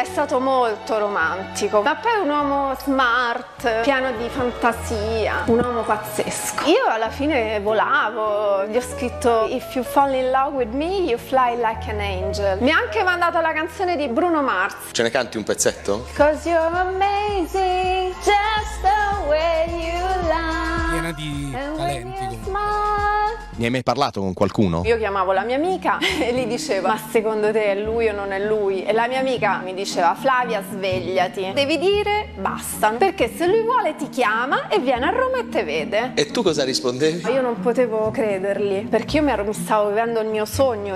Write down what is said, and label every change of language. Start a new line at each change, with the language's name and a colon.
Italian: È stato molto romantico, ma poi un uomo smart, pieno di fantasia, un uomo pazzesco. Io alla fine volavo, gli ho scritto:
English: if you fall in love with me you fly like an angel.
Italian: Mi ha anche mandato la canzone di Bruno Mars. Ce ne canti un pezzetto?
English: 'Cause you're amazing just the way you love.
Italian: Piena di talenti. Ne hai mai parlato con qualcuno? Io chiamavo la mia amica e gli dicevo: ma secondo te è lui o non è lui? E la mia amica mi diceva: Flavia, svegliati, devi dire basta, perché se lui vuole ti chiama e viene a Roma e te vede. E tu cosa rispondevi? Io non potevo credergli, perché io mi stavo vivendo il mio sogno.